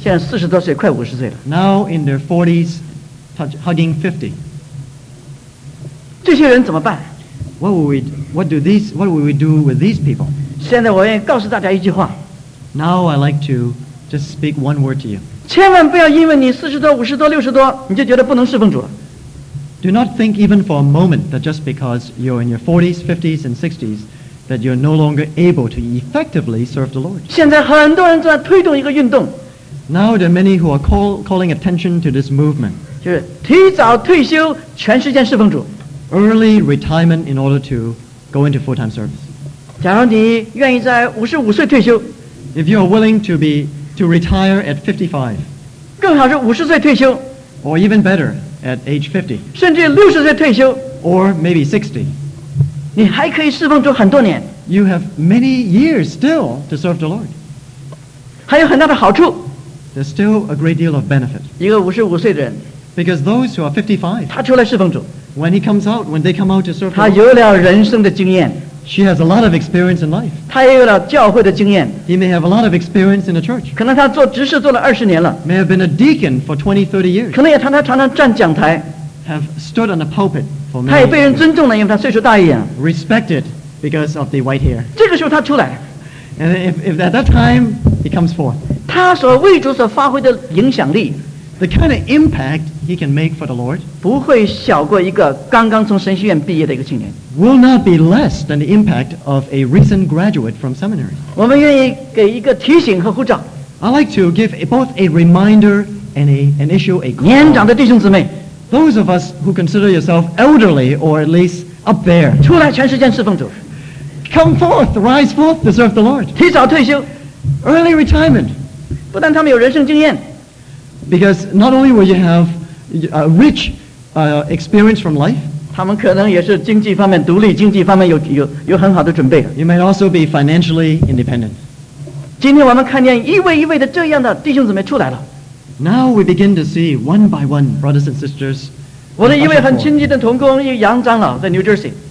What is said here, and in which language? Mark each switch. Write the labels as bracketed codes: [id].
[zh] 现在四十多岁，快五十岁了。 [en] Now in their 40s, hugging 50. [zh] 这些人怎么办？ [en] What will we do with these people? [zh] 现在我愿意告诉大家一句话。 [en] Now I'd like to just speak one word to you. [zh] 千万不要因为你四十多、五十多、六十多，你就觉得不能侍奉主了。 [en] Do not think even for a moment that just because you're in your 40s, 50s, and 60s, that you're no longer able to effectively serve the Lord. [zh] 现在很多人在推动一个运动。 [en] Now there are many who are calling attention to this movement. [zh] 就是提早退休，全时间侍奉主。 [en] Early retirement in order to go into full-time service. [zh] 假如你愿意在55岁退休。 [en] If you are willing to retire at 55, [zh] 更好是50岁退休, [en] or even better at age 50, [zh] 甚至60岁退休, [en] or maybe 60, [zh] 你还可以侍奉主很多年, [en] you have many years still to serve the Lord. [zh] 还有很大的好处。 [en] There's still a great deal of benefit. [zh] 一个五十五岁的人。 [en] Because those who are 55, [zh] 他出来侍奉主。 [en] When he comes out, when they come out to serve, [zh] 他有了人生的经验。 [en] She has a lot of experience in life. [zh] 他也有了教会的经验。 [en] He may have a lot of experience in the church. [zh] 可能他做执事做了二十年了。 [en] May have been a deacon for 20-30 years. [zh] 可能也常常站讲台。 [en] Have stood on the pulpit for many. [zh] 他也被人尊重了，因为他岁数大一点。 [en] Respected because of the white hair. [zh] 这个时候他出来。 [en] And if at that time he comes forth. [zh] 他所为主所发挥的影响力。 [en] The kind of impact he can make for the Lord [zh] 不会小过一个刚刚从神学院毕业的一个青年 [en] will not be less than the impact of a recent graduate from seminary. [zh] 我们愿意给一个提醒和呼召 [en] I'd like to give both a reminder and an issue a call. [zh] 年长的弟兄姊妹 [en] those of us who consider yourself elderly or at least up there [zh] 出来全世界侍奉主 [en] come forth, rise forth to serve the Lord. [zh] 提早退休 [en] early retirement. [zh] 不但他们有人生经验 [en] Because not only will you have a rich experience from life, [zh] 他们可能也是经济方面独立，经济方面有很好的准备。 [en] You might also be financially independent. [zh] 今天我们看见一位一位的这样的弟兄姊妹出来了。 [en] Now we begin to see one by one brothers and sisters. [zh] 我的一位很亲近的同工，杨长老在 New Jersey.